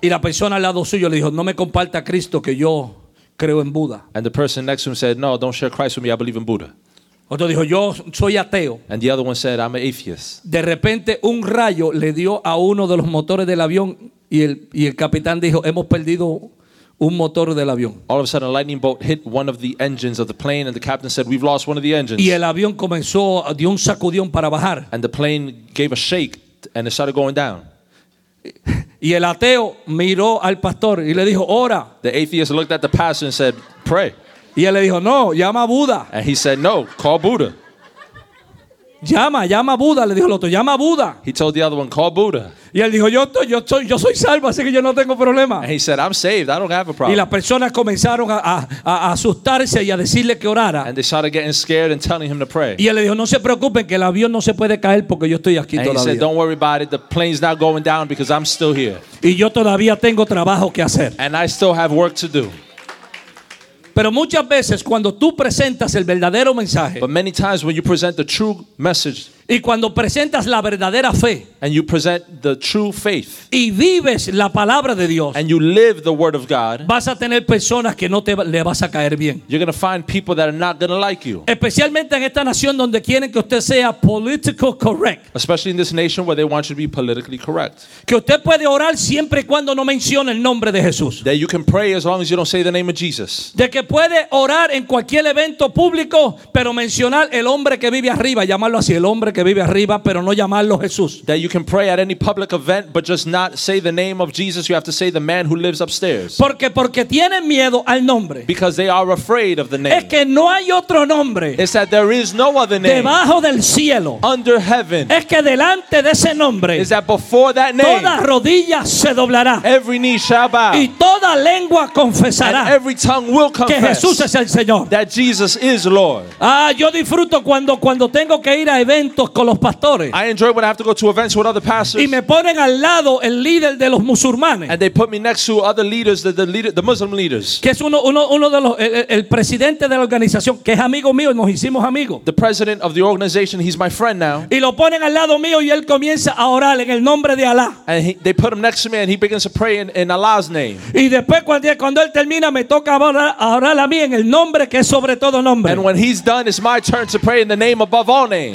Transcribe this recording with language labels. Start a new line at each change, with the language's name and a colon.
Spanish: Y la persona al lado suyo le dijo, no me comparta a Cristo que yo creo en Buda.
English: And the person next to him said, no, don't share Christ with me, I believe in Buddha.
Spanish: Otro dijo, yo soy ateo.
English: And the other one said, I'm an atheist.
Spanish: De repente un rayo le dio a uno de los motores del avión y el capitán dijo, hemos perdido un motor del avión.
English: All of a sudden, a lightning bolt hit one of the engines of the plane, and the captain said, "We've lost one of the engines."
Spanish: Y el avión comenzó dio un sacudión para bajar.
English: And the plane gave a shake, and it started going down.
Spanish: Y el ateo miró al pastor y le dijo, "Ora."
English: The atheist looked at the pastor and said, "Pray."
Spanish: Y él le dijo, "No, llama a Buda."
English: And he said, "No, call Buddha."
Spanish: Llama a Buda, le dijo el otro, llama a Buda.
English: He told the other one, call Buddha.
Spanish: Y él dijo, yo soy salvo, así que yo no tengo problema.
English: And he said, I'm saved, I don't have a problem.
Spanish: Y las personas comenzaron a asustarse y a decirle que orara.
English: And they started getting scared and telling him to pray.
Spanish: Y él le dijo, no se preocupen que el avión no se puede caer porque yo estoy aquí
English: and
Spanish: todavía.
English: And he said, don't worry about it, the plane's not going down because I'm still here.
Spanish: Y yo todavía tengo trabajo que hacer.
English: And I still have work to do.
Spanish: Pero muchas veces cuando tú presentas el verdadero mensaje,
English: but many times when you present the true message,
Spanish: y cuando presentas la verdadera fe,
English: and you present the true faith,
Spanish: y vives la palabra de Dios,
English: and you live the word of God,
Spanish: vas a tener personas que no te le vas a caer bien.
English: You're going to find people that are not going to like you.
Spanish: Especialmente en esta nación donde quieren que usted sea
English: political correct. Especially in this nation where they want you to be politically correct.
Spanish: Que usted puede orar siempre y cuando no mencione el nombre de Jesús.
English: That you can pray as long as you don't say the name of Jesus.
Spanish: De que puede orar en cualquier evento público, pero mencionar el hombre que vive arriba, llamarlo así, el hombre que vive arriba, pero no llamarlo Jesús.
English: That you can pray at any public event, but just not say the name of Jesus. You have to say the man who lives upstairs.
Spanish: Porque tienen miedo al nombre.
English: Because they are afraid of the name.
Spanish: Es que no hay otro nombre.
English: It's that there is no other name.
Spanish: Debajo del cielo.
English: Under heaven.
Spanish: Es que delante de ese nombre.
English: Is that before that name.
Spanish: Toda rodilla se doblará.
English: Every knee shall bow.
Spanish: Y toda lengua confesará.
English: And every tongue will confess.
Spanish: Que Jesús es el Señor.
English: That Jesus is Lord.
Spanish: Ah, yo disfruto cuando tengo que ir a eventos. Con los pastores.
English: I enjoy when I have to go to events with other pastors.
Spanish: Y me ponen al lado el líder de los musulmanes.
English: And they put me next to other leaders, the Muslim leaders.
Spanish: Que es uno de los el presidente de la organización, que es amigo mío, nos hicimos amigos.
English: The president of the organization, he's my friend now.
Spanish: Y lo ponen al lado mío y él comienza a orar en el nombre de Allah.
English: And they put him next to me and he begins to pray in Allah's name.
Spanish: Y después cuando él termina me toca orar a mí en el nombre que es sobre todo nombre.
English: And when he's done, it's my turn to pray in the name above all names.